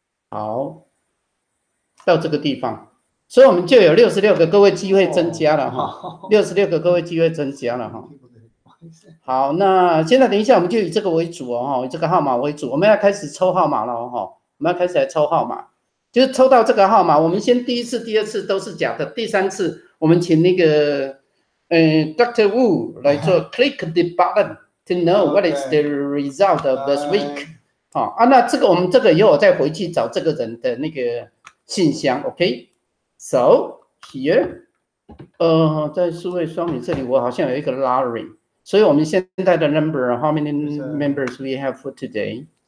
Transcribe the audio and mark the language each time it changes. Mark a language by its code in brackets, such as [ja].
[zh] 好，到这个地方。所以我们就有66个各位机会增加了哈，66个各位机会增加了哈。好，那现在等一下我们就以这个为主哦，以这个号码为主，我们要开始抽号码了哈，我们要开始来抽号码，就是抽到这个号码，我们先第一次、第二次都是假的，第三次我们请那个Dr. [en] Wu [zh] 来做 [en] click the button to know what is the result of this week。 [zh] 好啊，那这个我们这个以后我再回去找这个人的那个信箱 ，OK。 [en] So here， [zh] 在数位双语这里，我好像有一个 lottery， 所以我们现在的 number， [en] how many members we have for today？